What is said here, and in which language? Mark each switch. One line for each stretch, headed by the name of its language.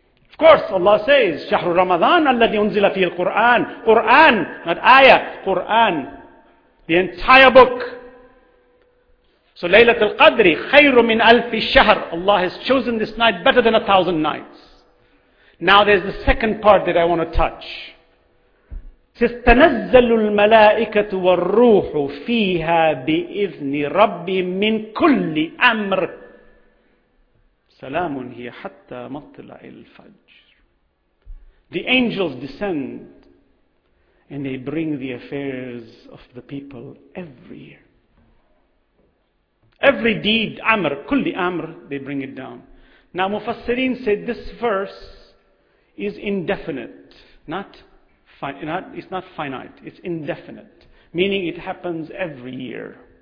English: Of course, Allah says,
Arabic: شهر رمضان الذي أنزل فيه القرآن
English: Quran, not ayah, Quran, the entire book. So,
Arabic: ليلة القدر خير من ألف شهر
English: Allah has chosen this night better than 1,000 nights. Now, there's the second part that I want to touch.
Arabic: تستنزل الملائكة والروح فيها بإذن ربهم من كل أمر سلام هي حتى مطلع الفجر
English: The angels descend and they bring the affairs of the people every year. Every deed, amr, kulli amr, they bring it down. Now Mufassirin said this verse is indefinite, it's not finite, it's indefinite, meaning it happens every year.